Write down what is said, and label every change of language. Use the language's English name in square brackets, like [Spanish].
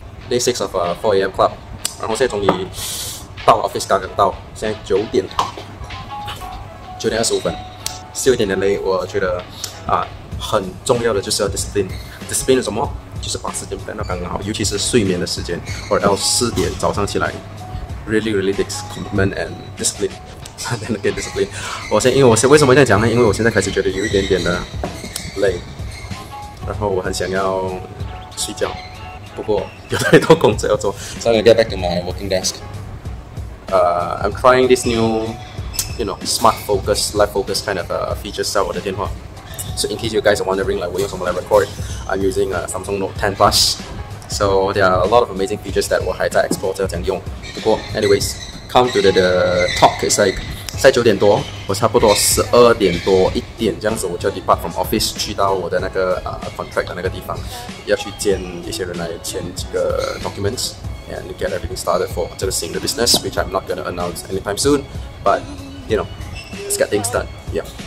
[English] Day 6 of 4 AM club， [Chinese] 然后现在终于到 office， 刚刚到，现在9点25分，是有一点点累。我觉得啊，很重要的就是要 discipline。discipline 是什么？就是把时间 plan 到刚刚好，尤其是睡眠的时间，或者要四点早上起来。 [English] Really, really takes commitment and discipline. Then again, discipline. [Chinese] 我现在，因为我现在为什么这样讲呢？因为我现在开始觉得有一点点的累，然后我很想要睡觉，不过有太多工作要做。 [English] So I'm gonna get back to my working desk. I'm trying this new, you know, smart focus, life focus kind of feature set [Chinese] 我的电话。 [English] So in case you guys are wondering, like, [Chinese] 我用什么来 [English] record, I'm using a Samsung Note 10 Plus. So there are a lot of amazing features that [Chinese] 我还在 explore 这样用。不过 [English] anyways, come to the talk, it's like, [Chinese] 在9点多，我差不多12点多一点这样子，我就 [English] depart from office [Chinese] 去到我的那个contract 的那个地方，要去见一些人来签几个 [English] documents and get everything started for [Chinese] 这个新的 [English] business, which I'm not going to announce anytime soon, but, you know, let's get things done, yeah.